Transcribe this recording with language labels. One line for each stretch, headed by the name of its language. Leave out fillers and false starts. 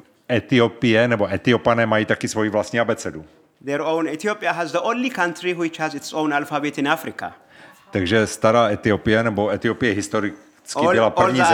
Czech: Etiopie nebo Etiopané mají taky svoji vlastní abecedu.
English: Their own Ethiopia has the only country which has its own alphabet in Africa.
Czech: Takže stará Etiopie nebo Etiopie historicky byla první země.